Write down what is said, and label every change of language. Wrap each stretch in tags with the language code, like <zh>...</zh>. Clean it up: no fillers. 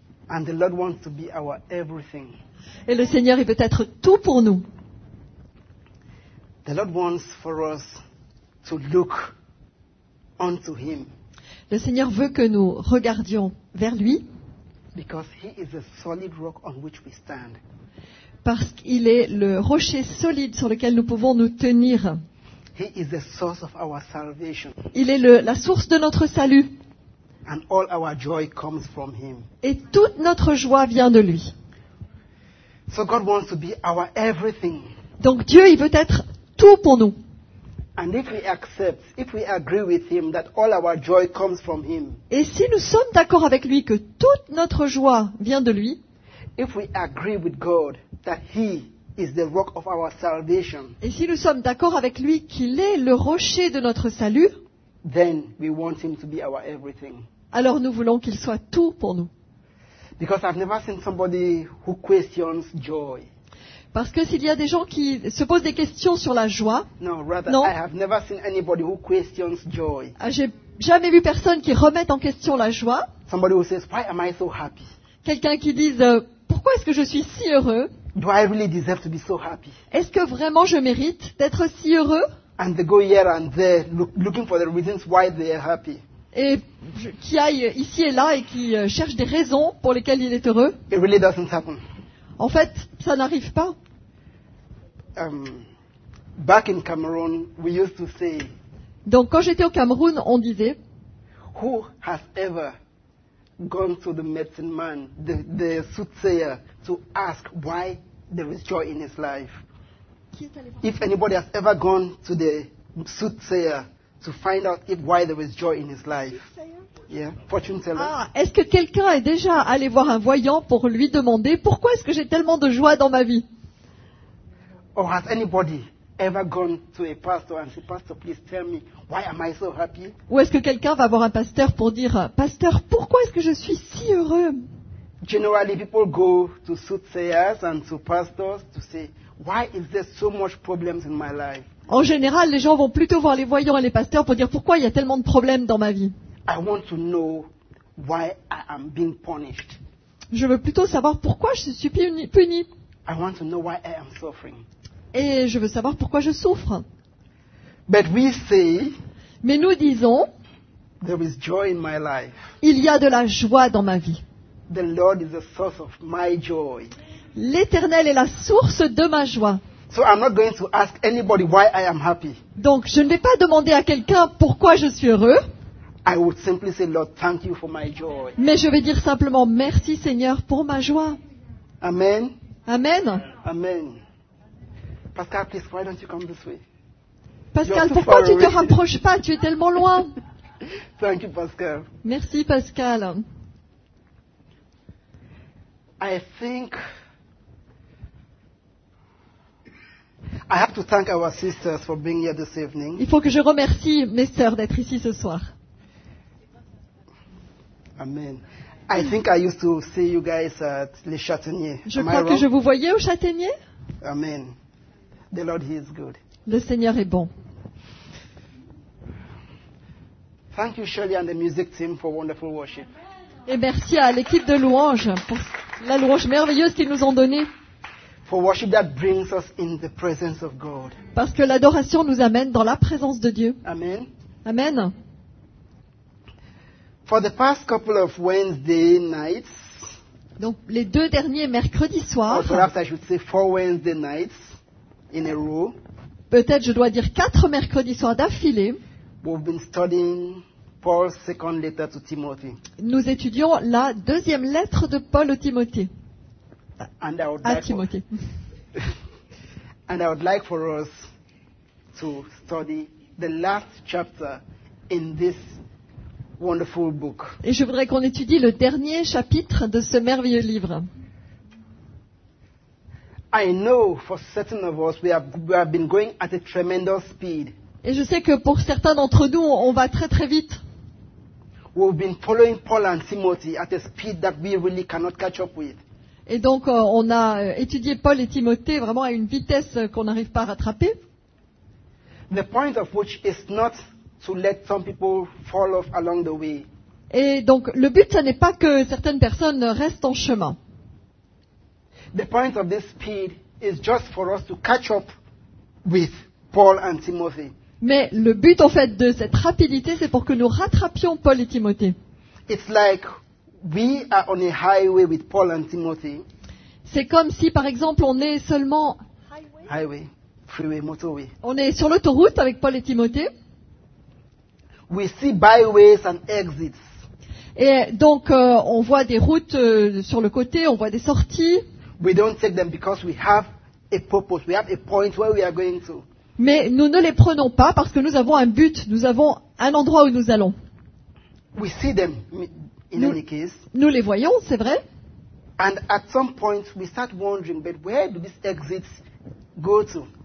<en>And the Lord wants to be our everything.</en> <fr>Et le Seigneur, il veut être tout pour nous.</fr> <en>The Lord wants for us to look unto him.</en> <fr>Le Seigneur veut que nous regardions vers lui.</fr> <en>Because he is a solid rock on which we stand.</en> <fr>Parce qu'il est le rocher solide sur lequel nous pouvons nous tenir.</fr> <en>He is the source of our salvation.</en> <fr>Il est la source de notre salut.</fr> <en>And all our joy comes from him.</en> <fr>Et toute notre joie vient de lui.</fr> <en>So God wants to be our everything.</en> <fr>Donc Dieu, il veut être tout pour nous. Et si nous sommes d'accord avec lui que toute notre joie vient de lui, et si nous sommes d'accord avec lui qu'il est le rocher de notre salut,</fr> <en>then we want him to be our everything.</en> <fr>Alors nous voulons qu'il soit tout pour nous.</fr> <en>Because I've never seen somebody who questions joy.</en> <fr>Parce que s'il y a des gens qui se posent des questions sur la joie, non, j'ai jamais vu personne qui remette en question la joie.</fr> <en>Somebody who says, why am I so happy?</en> <fr>Quelqu'un qui dise, pourquoi est-ce que je suis si heureux?</fr> <en>Do I really deserve to be so happy?</en> <fr>Est-ce que vraiment je mérite d'être si heureux?</fr> <en>And they go here and there looking for the reasons why they are happy.</en> <fr>Et qui aille ici et là et qui cherche des raisons pour lesquelles il est heureux.</fr> <en>It really doesn't happen.</en> <fr>En fait, ça n'arrive pas.</fr> <en>Back in Cameroon, we used to say.</en> <fr>Donc, quand j'étais au Cameroun, on disait.</fr> <en>Who has ever gone to the medicine man, the soothsayer, to ask why there is joy in his life? If anybody has ever gone to the soothsayer to find out if why there is joy in his life. Yeah, fortune teller.</en> <fr>Ah, est-ce que quelqu'un est déjà allé voir un voyant pour lui demander pourquoi est-ce que j'ai tellement de joie dans ma vie?</fr> <en>Or has anybody ever gone to a pastor and said, pastor, please tell me why am I so happy?</en> <fr>Ou est-ce que quelqu'un va voir un pasteur pour dire, pasteur, pourquoi est-ce que je suis si heureux?</fr> <en>Generally, people go to soothsayers and to pastors to say, why is there so much problems in my life?</en> <fr>En général, les gens vont plutôt voir les voyants et les pasteurs pour dire pourquoi il y a tellement de problèmes dans ma vie.</fr> <en>I want to know why I am being punished.</en> <fr>Je veux plutôt savoir pourquoi je suis puni.</fr> <en>I want to know why I am suffering.</en> <fr>Et je veux savoir pourquoi je souffre.</fr> <en>But we say,</en> <fr>mais nous disons,</fr> <en>there is joy in my life.</en> <fr>Il y a de la joie dans ma vie.</fr> <en>The Lord is the source of my joy.</en> <fr>L'Éternel est la source de ma joie.</fr> <en>So I'm not going to ask anybody why I am happy.</en> <fr>Donc je ne vais pas demander à quelqu'un pourquoi je suis heureux.</fr> <en>I would simply say, Lord, thank you for my joy.</en> <fr>Mais je vais dire simplement merci Seigneur pour ma joie.</fr> <en>Amen.</en> <fr>Amen.</fr> <en>Amen. Pascal, please, why don't you come this way?</en> <fr>Pascal, pourquoi tu ne te rapproches pas? Tu es tellement loin.</fr> <en>Thank you, Pascal.</en> <fr>Merci Pascal.</fr> <en>I think I have to thank our sisters for being here this evening.</en> <fr>Il faut que je remercie mes sœurs d'être ici ce soir.</fr> <en>Amen. I think I used to see you guys at Les Châtaigniers.</en> <fr>Je crois que je vous voyais au Châtaignier.</fr> <en>Amen. The Lord, he is good.</en> <fr>Le Seigneur est bon.</fr> <en>Thank you, Shirley, and the music team for wonderful worship.</en> <fr>Et merci à l'équipe de louanges pour la louange merveilleuse qu'ils nous ont donnée.</fr> <en>For worship that brings us in the presence of God.</en> <fr>Parce que l'adoration nous amène dans la présence de Dieu.</fr> <en>Amen.</en> <fr>Amen.</fr> <en>For the past couple of Wednesday nights.</en> <fr>Donc les deux derniers mercredis soirs.</fr> <en>Or perhaps I should say four Wednesday nights in a row.</en> <fr>Peut-être je dois dire quatre mercredis soirs d'affilée.</fr> <en>We've been studying Paul's second letter to Timothy.</en> <fr>Nous étudions la deuxième lettre de Paul au Timothée.</fr> <en>And I would like</en> <fr>Timothée.</fr> <en>And I would like for us to study the last chapter in this wonderful book.</en> <fr>Et je voudrais qu'on étudie le dernier chapitre de ce merveilleux livre.</fr> <en>I know for certain of us we have been going at a tremendous speed</en> <fr>Et je sais que pour certains d'entre nous, on va très très vite.</fr> <en>We've been following Paul and Timothy at a speed that we really cannot catch up with.</en> <fr>Et donc on a étudié Paul et Timothée vraiment à une vitesse qu'on n'arrive pas à rattraper.</fr> <en>The point of which is not to let some people fall off along the way.</en> <fr>Et donc le but, ce n'est pas que certaines personnes restent en chemin.</fr> <en>The point of this speed is just for us to catch up with Paul and Timothy.</en> <fr>Mais le but en fait de cette rapidité, c'est pour que nous rattrapions Paul et Timothée.</fr> <en>It's like we are on a highway with Paul and Timothy.</en> <fr>C'est comme si par exemple on est seulement</fr> <en>highway, freeway, motorway.</en> <fr>On est sur l'autoroute avec Paul et Timothée.</fr> <en>We see byways and exits.</en> <fr>Et donc on voit des routes sur le côté, on voit des sorties.</fr> <en>We don't take them because we have a purpose. We have a point where we are going to.</en> <fr>Mais nous ne les prenons pas parce que nous avons un but, nous avons un endroit où nous allons.</fr> <en>We see them in any case.</en> <fr>Nous les voyons, c'est vrai.</fr> <en>And at some point we start wondering, but where do these exits go to?</en>